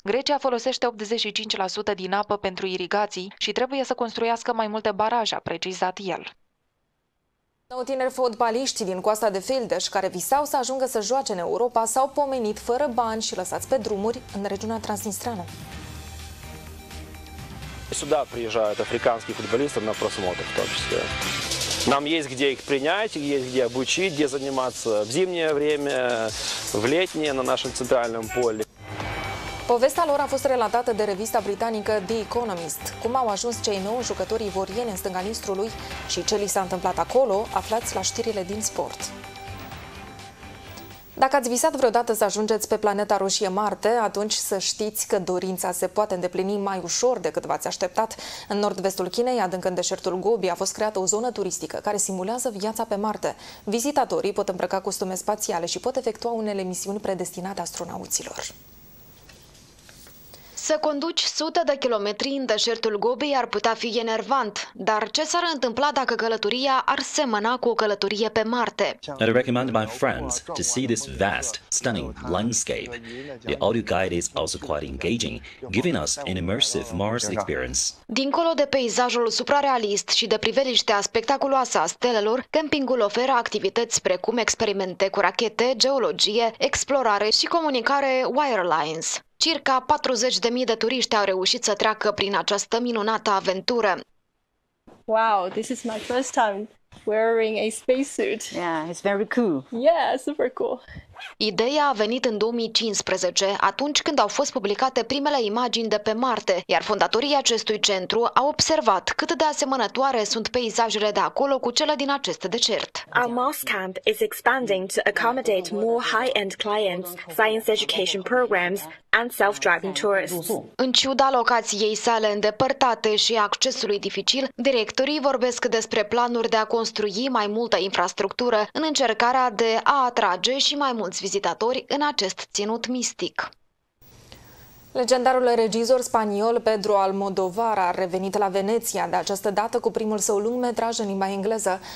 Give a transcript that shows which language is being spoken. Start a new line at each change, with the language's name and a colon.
Romanian: Grecia folosește 85% din apă pentru irigații și trebuie să construiască mai multe baraje, a precizat el. Nou tineri fotbaliști din Coasta de Feldeș, care visau să ajungă să joace în Europa, s-au pomenit fără bani și lăsați pe drumuri în regiunea transnistreană.
Russian: Сюда приезжают африканские футболисты на просмотр в том числе. Нам есть где их принять, есть где обучить, где заниматься в зимнее время, в летнее на нашем центральном поле.
Romanian: Povestea lor a fost relatată de revista britanică The Economist. Cum au ajuns cei nouă jucători ivorieni în stânga Nistrului și ce li s-a întâmplat acolo, aflați la știrile din sport. Dacă ați visat vreodată să ajungeți pe planeta roșie Marte, atunci să știți că dorința se poate îndeplini mai ușor decât v-ați așteptat. În nord-vestul Chinei, adânc în deșertul Gobi, a fost creată o zonă turistică care simulează viața pe Marte. Vizitatorii pot îmbrăca costume spațiale și pot efectua unele misiuni predestinate astronauților. Să conduci sute de kilometri în deșertul Gobi ar putea fi enervant, dar ce s-ar întâmpla dacă călătoria ar semăna cu o călătorie pe Marte?
English: I'd recommend my friends to see this vast, stunning landscape. The audio guide is also quite engaging, giving us an immersive Mars experience.
Romanian: Dincolo de peisajul suprarealist și de priveliștea spectaculoasă a stelelor, campingul oferă activități precum experimente cu rachete, geologie, explorare și comunicare wirelines. Circa 40.000 de turiști au reușit să treacă prin această minunată aventură.
English: Wow, this is my first time wearing a spacesuit. Yeah, it's very cool. Yeah, super cool.
Romanian: Ideea a venit în 2015, atunci când au fost publicate primele imagini de pe Marte, iar fondatorii acestui centru au observat cât de asemănătoare sunt peisajele de acolo cu cele din acest deșert.
English: Our Mars camp is expanding to accommodate more high-end clients, science education programs and self-driving tourists.
Romanian: În ciuda locației sale îndepărtate și accesului dificil, directorii vorbesc despre planuri de a construi mai multă infrastructură în încercarea de a atrage și mai mulți vizitatori în acest ținut mistic. Legendarul regizor spaniol Pedro Almodovar a revenit la Veneția de această dată cu primul său lung metraj în limba engleză.